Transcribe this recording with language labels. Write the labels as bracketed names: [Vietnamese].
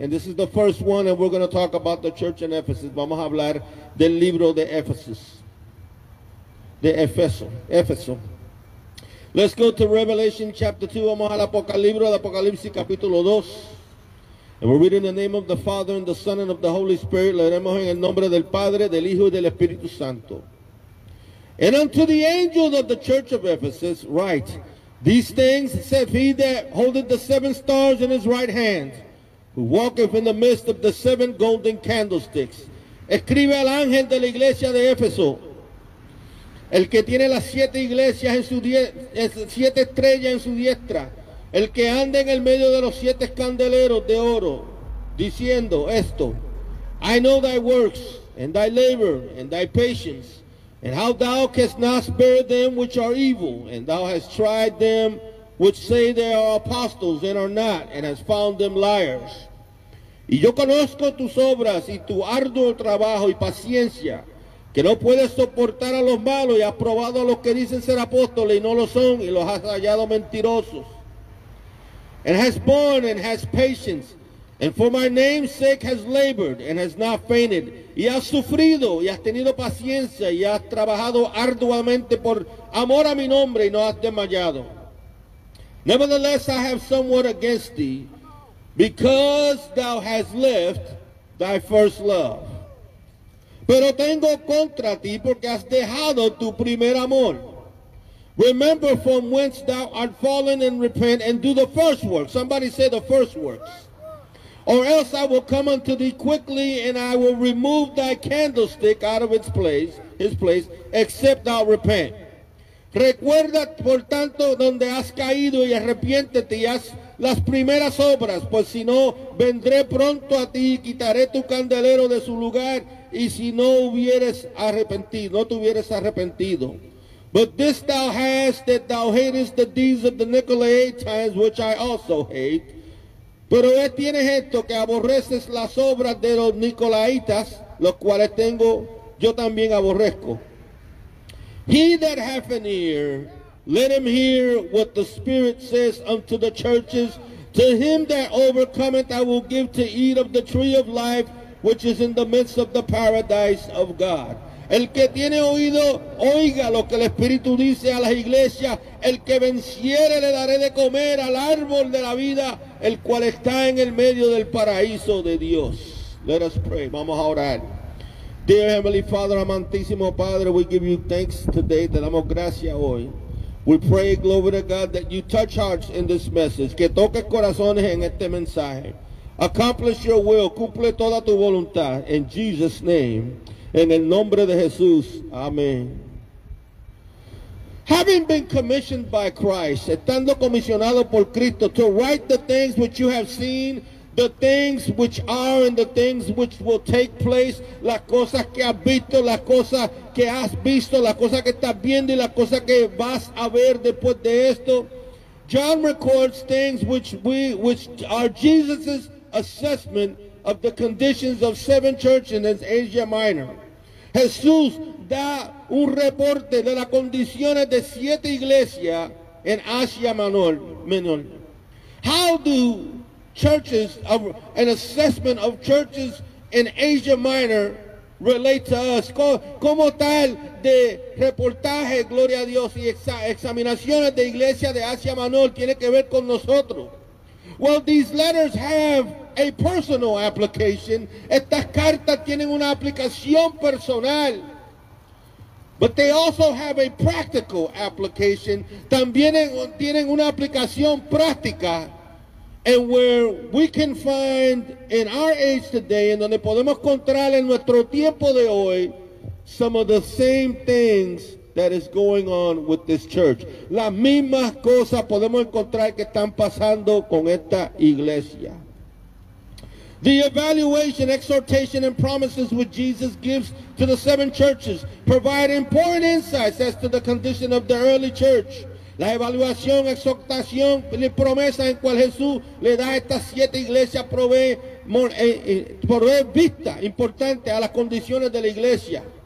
[English] And this is the first one, and we're going to talk about the church in Ephesus. [Spanish] Vamos a hablar del libro de Ephesus. De Efeso. Efeso. [English] Let's go to Revelation chapter 2. [Spanish] Vamos al libro de Apocalipsis capítulo 2. [English] And we're reading the name of the Father and the Son and of the Holy Spirit. [Spanish] Leeremos en el nombre del Padre, del Hijo y del Espíritu Santo. [English] And unto the angel of the church of Ephesus write, these things saith he that holdeth the seven stars in his right hand, who walketh in the midst of the seven golden candlesticks. [Spanish] Escribe al ángel de la iglesia de Éfeso, el que tiene las siete iglesias en su siete estrellas en su diestra, el que anda en el medio de los siete candeleros de oro, diciendo esto: [English] I know thy works, and thy labor, and thy patience, and how thou canst not spare them which are evil, and thou hast tried them which say they are apostles and are not, and hast found them liars. [Spanish] Y yo conozco tus obras y tu arduo trabajo y paciencia, que no puedes soportar a los malos, y has probado a los que dicen ser apóstoles y no lo son, y los has hallado mentirosos. [English] And hast borne and hast patience, and for my name's sake has labored and has not fainted. [Spanish] Y has sufrido y has tenido paciencia y has trabajado arduamente por amor a mi nombre y no has desmayado. [English] Nevertheless, I have somewhat against thee, because thou hast left thy first love. [Spanish] Pero tengo contra ti porque has dejado tu primer amor. [English] Remember from whence thou art fallen and repent and do the first work. Somebody say the first works. Or else I will come unto thee quickly, and I will remove thy candlestick out of its place, his place, except thou repent. [Spanish] Recuerda, por tanto, donde has caído, y arrepiéntete, y haz las primeras obras, pues si no, vendré pronto a ti, y quitaré tu candelero de su lugar, y si no hubieres arrepentido, no te hubieres arrepentido. [English] But this thou hast, that thou hatest the deeds of the Nicolaitans, which I also hate. [Spanish] Pero tienes esto, que aborreces las obras de los Nicolaitas, los cuales tengo, yo también aborrezco. [English] He that hath an ear, let him hear what the Spirit says unto the churches. To him that overcometh, I will give to eat of the tree of life, which is in the midst of the paradise of God. [Spanish] El que tiene oído, oiga lo que el Espíritu dice a las iglesias. El que venciere, le daré de comer al árbol de la vida, el cual está en el medio del paraíso de Dios. [English] Let us pray. [Spanish] Vamos a orar. [English] Dear Heavenly Father, [Spanish] amantísimo Padre, [English] we give you thanks today. [Spanish] Te damos gracias hoy. [English] We pray, glory to God, that you touch hearts in this message. [Spanish] Que toques corazones en este mensaje. [English] Accomplish your will. [Spanish] Cumple toda tu voluntad. [English] In Jesus' name. [Spanish] En el nombre de Jesús. Amén. [English] Having been commissioned by Christ, [Spanish] estando comisionado por Cristo, [English] to write the things which you have seen, the things which are and the things which will take place, [Spanish] las cosas que has visto, las cosas que has visto, las cosas que estás viendo y las cosas que vas a ver después de esto. [English] John records things which are Jesus' assessment of the conditions of seven churches in Asia Minor. [Spanish] Jesús da un reporte de las condiciones de siete iglesias en Asia Menor. [English] How do churches, an assessment of churches in Asia Minor relate to us? [Spanish] ¿Cómo tal de reportaje, gloria a Dios, y examinaciones de iglesias de Asia Menor tiene que ver con nosotros? [English] Well, these letters have a personal application. [Spanish] Estas cartas tienen una aplicación personal. [English] But they also have a practical application. [Spanish] También tienen una aplicación práctica. [English] And where we can find in our age today, [Spanish] en donde podemos encontrar en nuestro tiempo de hoy, [English] some of the same things that is going on with this church. [Spanish] Las mismas cosas podemos encontrar que están pasando con esta iglesia. [English] The evaluation, exhortation, and promises which Jesus gives to the seven churches provide important insights as to the condition of the early church. [Spanish] La evaluación, exhortación, y promesa en cual Jesús le da a estas siete iglesias provee vista importante a las condiciones de la iglesia.